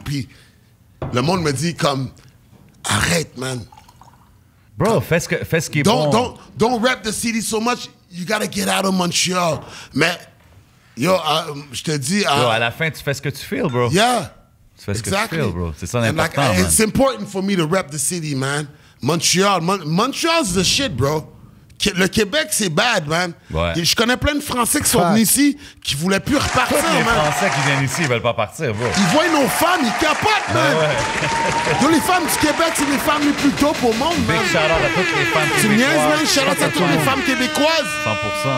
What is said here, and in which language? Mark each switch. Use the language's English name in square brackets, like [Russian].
[French] Puis le monde me dit comme, arrête, man. Bro, fais ce qui est [English] don't, [French] bon. [English] Don't rap the city so much. You gotta get out of Montreal. [French] Mais, yo, je te dis... Yo, à la fin, tu fais ce que tu feels, bro. [English] Yeah. [French] Tu fais exactly. ce que tu feels, bro. C'est ça l'important, like, man. [English] It's important for me to rap the city, man. Montreal. Montreal's the shit, bro. [French] Le Québec, c'est bad, [English] man. [French] Ouais. Je connais plein de Français qui sont venus ici qui voulaient plus repartir, les man. Les Français qui viennent ici, ils veulent pas partir, bro. Ils voient nos femmes, ils capotent, man. Ouais. Donc, les femmes du Québec, c'est les femmes les plus dope au monde, man. Big shout-out à toutes les femmes tu québécoises. Tu niaises, man. Shout-out à toutes les femmes québécoises.